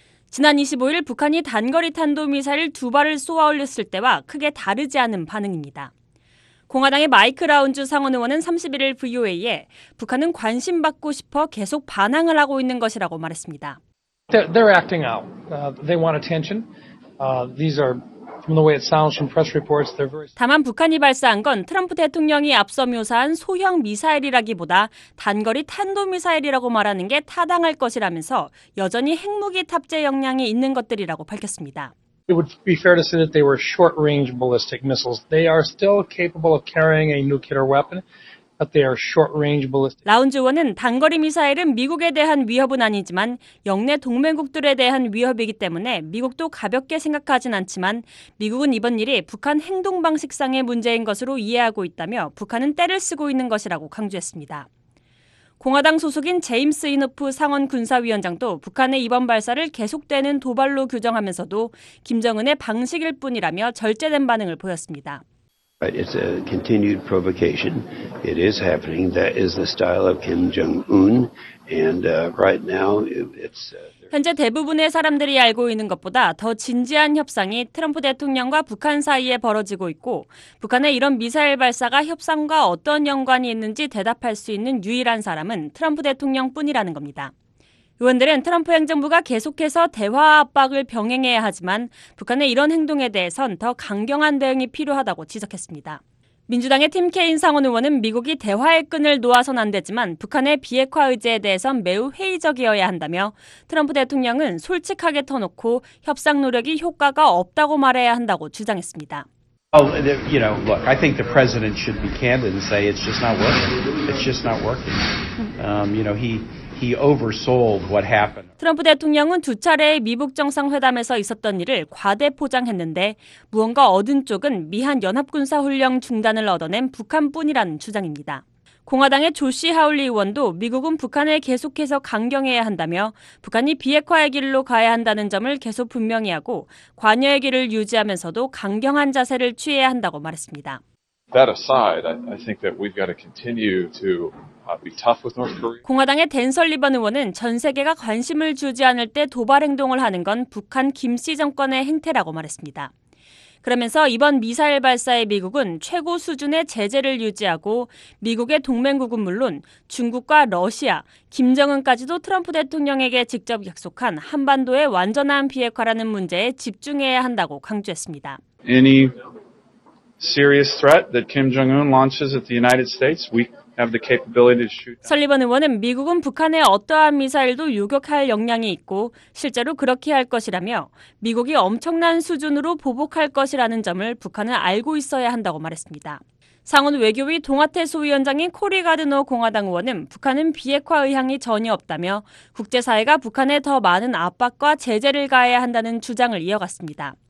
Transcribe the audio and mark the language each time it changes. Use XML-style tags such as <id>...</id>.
<ko>지난 25일 북한이 단거리 탄도미사일 두 발을 쏘아올렸을 때와 크게 다르지 않은 반응입니다. 공화당의 마이크 라운주 상원 의원은 31일 VOA에 북한은 관심 받고 싶어 계속 반항을 하고 있는 것이라고 말했습니다.</ko> <en>They're acting out. They want attention. These are from the way it sounds from press reports. They're very.</en> <ko>다만 북한이 발사한 건 트럼프 대통령이 앞서 묘사한 소형 미사일이라기보다 단거리 탄도 미사일이라고 말하는 게 타당할 것이라면서 여전히 핵무기 탑재 역량이 있는 것들이라고 밝혔습니다.</ko> <en>It would be fair to say that they were short-range ballistic missiles. They are still capable of carrying a nuclear weapon, but they are short-range ballistic.</en> <ko>라운즈 의원은 단거리 미사일은 미국에 대한 위협은 아니지만 영내 동맹국들에 대한 위협이기 때문에 미국도 가볍게 생각하진 않지만 미국은 이번 일이 북한 행동 방식상의 문제인 것으로 이해하고 있다며 북한은 때를 쓰고 있는 것이라고 강조했습니다. 공화당 소속인 제임스 이노프 상원 군사위원장도 북한의 이번 발사를 계속되는 도발로 규정하면서도 김정은의 방식일 뿐이라며 절제된 반응을 보였습니다.</ko> <en>It's a continued provocation. It is happening. That is the style of Kim Jong-un. And right now it's</en> <ko>현재 대부분의 사람들이 알고 있는 것보다 더 진지한 협상이 트럼프 대통령과 북한 사이에 벌어지고 있고 북한의 이런 미사일 발사가 협상과 어떤 연관이 있는지 대답할 수 있는 유일한 사람은 트럼프 대통령뿐이라는 겁니다. 의원들은 트럼프 행정부가 계속해서 대화 압박을 병행해야 하지만 북한의 이런 행동에 대해선 더 강경한 대응이 필요하다고 지적했습니다. 민주당의 팀 케인 상원 의원은 미국이 대화의 끈을 놓아선 안 되지만 북한의 비핵화 의제에 대해선 매우 회의적이어야 한다며 트럼프 대통령은 솔직하게 터놓고 협상 노력이 효과가 없다고 말해야 한다고 주장했습니다.</ko> <en>Oh, you know, look, I think the president should be candid and say it's just not working. It's just not working. You know, he oversold what happened.</en> <ko>트럼프 대통령은 두 차례의 미북 정상회담에서 있었던 일을 과대 포장했는데 무언가 얻은 쪽은 미한 연합군사 훈련 중단을 얻어낸 북한뿐이라는 주장입니다. 공화당의 조시 하울리 의원도 미국은 북한을 계속해서 강경해야 한다며 북한이 비핵화의 길로 가야 한다는 점을 계속 분명히 하고 관여의 길을 유지하면서도 강경한 자세를 취해야 한다고 말했습니다.</ko> <en>That aside, I think that we've got to continue to be tough with North Korea.</en> <ko>공화당의 댄 설리번 의원은 전 세계가 관심을 주지 않을 때 도발 행동을 하는 건 북한 김씨 정권의 행태라고 말했습니다. 그러면서 이번 미사일 발사에 미국은 최고 수준의 제재를 유지하고 미국의 동맹국은 물론 중국과 러시아, 김정은까지도 트럼프 대통령에게 직접 약속한 한반도의 완전한 비핵화라는 문제에 집중해야 한다고 강조했습니다.</ko> <en>Any serious threat that Kim Jong-un launches at the United States, we have the capability to shoot.</en> <ko>설리번 의원은 미국은 북한의 어떠한 미사일도 요격할 역량이 있고 실제로 그렇게 할 것이라며 미국이 엄청난 수준으로 보복할 것이라는 점을 북한은 알고 있어야 한다고 말했습니다. 상원 외교위 동아태 소위원장인 코리 가드노 공화당 의원은 북한은 비핵화 의향이 전혀 없다며 국제사회가 북한에 더 많은 압박과 제재를 가해야 한다는 주장을 이어갔습니다.</ko>